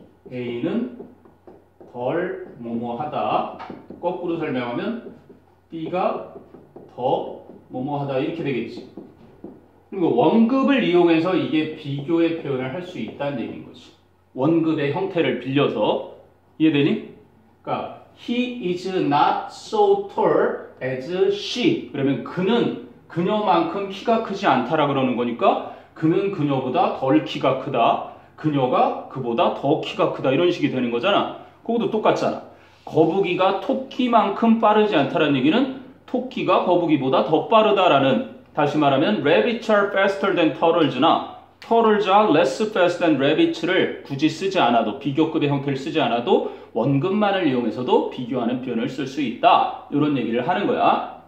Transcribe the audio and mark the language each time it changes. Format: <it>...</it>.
<ko>A는 덜 뭐뭐하다. 거꾸로 설명하면 B가 더 뭐뭐하다 이렇게 되겠지. 그리고 원급을 이용해서 이게 비교의 표현을 할 수 있다는 얘기인 거지. 원급의 형태를 빌려서 이해되니? 그러니까</ko> <en>He is not so tall as she.</en> <ko>그러면 그는 그녀만큼 키가 크지 않다라고 그러는 거니까 그는 그녀보다 덜 키가 크다. 그녀가 그보다 더 키가 크다 이런 식이 되는 거잖아. 그것도 똑같잖아. 거북이가 토끼만큼 빠르지 않다라는 얘기는 토끼가 거북이보다 더 빠르다라는 다시 말하면</ko> <en>rabbits are faster than turtles</en> <ko>나</ko> <en>turtles are less fast than rabbits</en> <ko>를 굳이 쓰지 않아도 비교급의 형태를 쓰지 않아도 원급만을 이용해서도 비교하는 표현을 쓸 수 있다 이런 얘기를 하는 거야.</ko>